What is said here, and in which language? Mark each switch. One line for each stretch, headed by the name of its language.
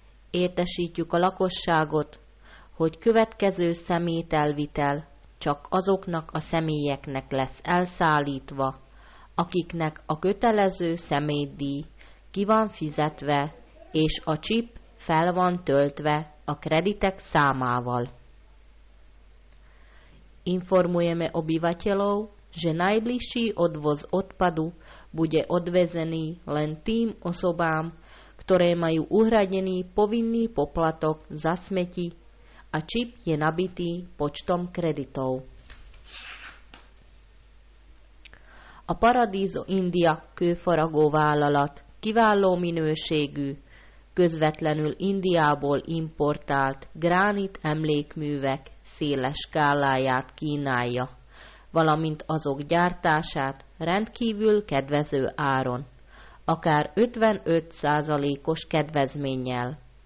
Hungarian: Értesítjük a lakosságot, hogy következő szemételvitel csak azoknak a személyeknek lesz elszállítva, akiknek a kötelező személydíj ki van fizetve, és a chip fel van töltve a kreditek számával.
Slovak: Informujeme obyvateľov, že najbližší odvoz odpadu bude odvezený len tým osobám, ktoré majú uhradený povinný poplatok za smeti a čip je nabitý počtom kreditov.
Hungarian: A Paradiso India kőfaragó vállalat kiváló minőségű, közvetlenül Indiából importált gránit emlékművek széles skáláját kínálja, valamint azok gyártását rendkívül kedvező áron, akár 55%-os kedvezménnyel.